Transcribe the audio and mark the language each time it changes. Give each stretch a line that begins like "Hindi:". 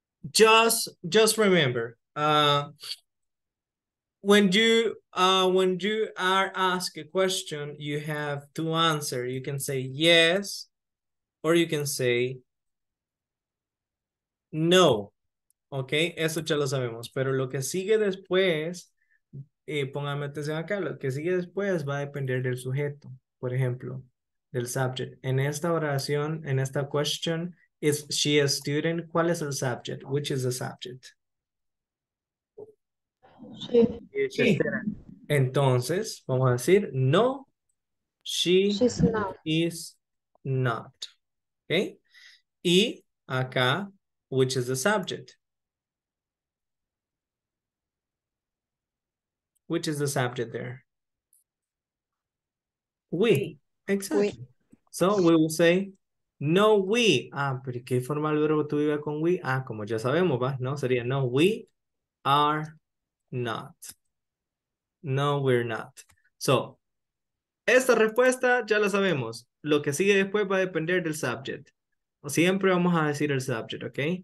English: Just remember, when you are asked a question, you have to answer. You can say yes, or you can say no.
Spanish: Okay, eso ya lo sabemos. Pero lo que sigue después, póngame atención acá, lo que sigue después va a depender del sujeto, por ejemplo, del subject. En esta oración, en esta question,
English: is she a student?
Spanish: ¿Cuál es el subject?
English: Which is the subject? She.
Spanish: Entonces, vamos a decir, no,
English: she's not. Is not. Okay?
Spanish: Y acá,
English: which is the subject? Which is the subject there? We. Exactly. We. So we will say, no, we.
Spanish: Ah, pero ¿qué forma el verbo to be con we? Ah, como ya sabemos, ¿va? No, sería, no,
English: we are not. No, we're not. So,
Spanish: esta respuesta ya la sabemos. Lo que sigue después va a depender del subject. Siempre vamos a decir el subject, ¿ok?